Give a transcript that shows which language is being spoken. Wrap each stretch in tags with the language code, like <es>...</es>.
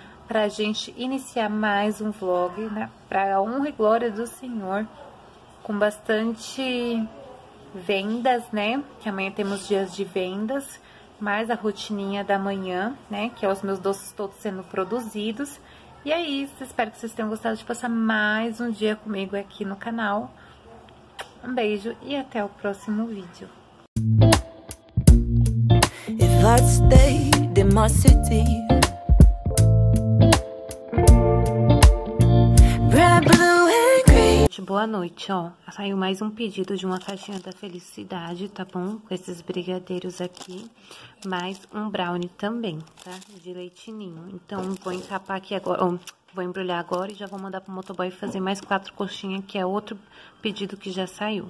<pt>Pra gente iniciar mais um vlog, né? Pra honra e glória do Senhor, com bastante vendas, né? Que amanhã temos dias de vendas, mais a rotininha da manhã, né? Que é os meus doces todos sendo produzidos. E é isso, espero que vocês tenham gostado de passar mais um dia comigo aqui no canal. Um beijo e até o próximo vídeo.</pt> <en>If I stayed in my city, red, blue and green.</en> <pt>Boa noite, ó. Saiu mais um pedido de uma caixinha da felicidade, tá bom? Com esses brigadeiros aqui. Mais um brownie também, tá? De leite ninho. Então, vou encapar aqui agora. Vou embrulhar agora e já vou mandar pro motoboy fazer mais 4 coxinhas, que é outro pedido que já saiu.</pt>